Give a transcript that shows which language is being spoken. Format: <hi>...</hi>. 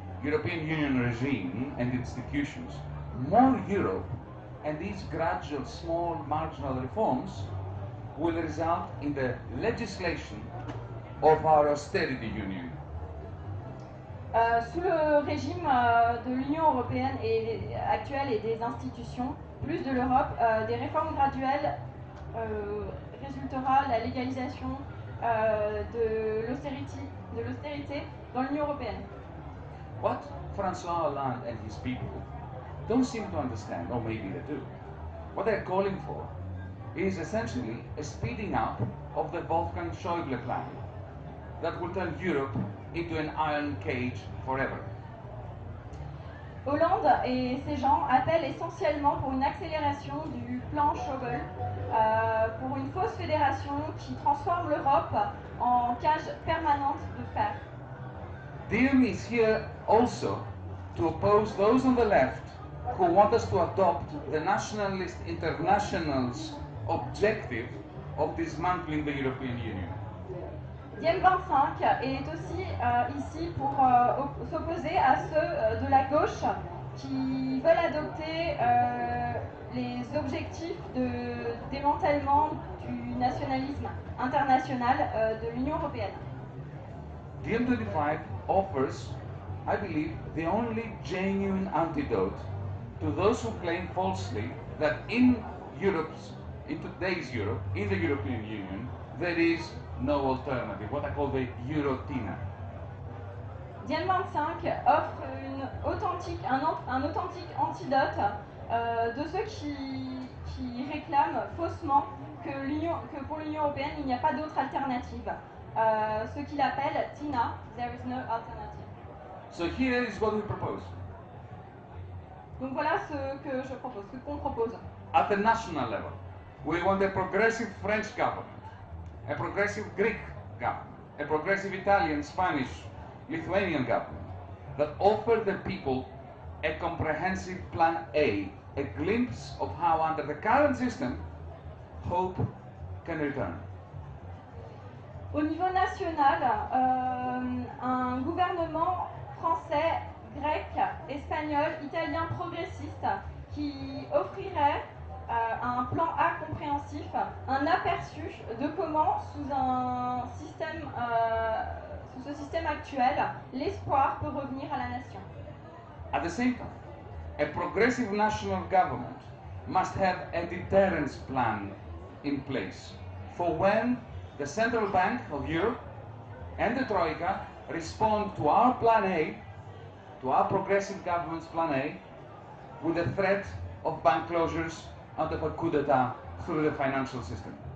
<en>European Union regime and institutions, more Europe and these gradual, small, marginal reforms will result in the legislation of our austerity union.</en> <fr>Sous le régime de l'Union européenne et actuelle et des institutions, plus de l'Europe, des réformes graduelles résultera la légalisation de l'austérité dans l'Union européenne.</fr> <en>What François Hollande and his people don't seem to understand, or maybe they do, what they're calling for is essentially a speeding up of the Wolfgang Schäuble plan that will turn Europe into an iron cage forever.</en> <fr>Hollande et ses gens appellent essentiellement pour une accélération du plan Schäuble, pour une fausse fédération qui transforme l'Europe en cage permanente de fer.</fr> <en>DiEM is here also to oppose those on the left who want us to adopt the nationalist international's objective of dismantling the European Union.</en> <fr>DiEM25 est aussi ici pour s'opposer à ceux de la gauche qui veulent adopter les objectifs de démantèlement du nationalisme international de l'Union européenne.</fr> <en>DiEM25 offers, I believe, the only genuine antidote to those who claim falsely that in Europe's, in today's Europe, in the European Union, there is no alternative, what I call the Eurotina.</en> <fr>DiEM25 offre un authentique antidote de ceux qui réclament faussement que pour l'Union européenne il n'y a pas d'autre alternative. Ce qu'il appelle Tina,</fr> <en>there is no alternative. So here is what we propose.</en> <fr>Donc voilà ce que je propose, ce qu'on propose.</fr> <en>At the national level, we want a progressive French government, a progressive Greek government, a progressive Italian, Spanish, Lithuanian government that offer the people a comprehensive plan A, a glimpse of how under the current system, hope can return.</en> <fr>Au niveau national, un gouvernement français, grec, espagnol, italien progressiste qui offrirait un plan A compréhensif, un aperçu de comment, sous un système, sous ce système actuel, l'espoir peut revenir à la nation.</fr> <en>At the same time, a progressive national government must have a deterrence plan in place for when the Central Bank of Europe and the Troika respond to our plan A, to our progressive government's plan A, with the threat of bank closures and of a coup d'etat through the financial system.</en>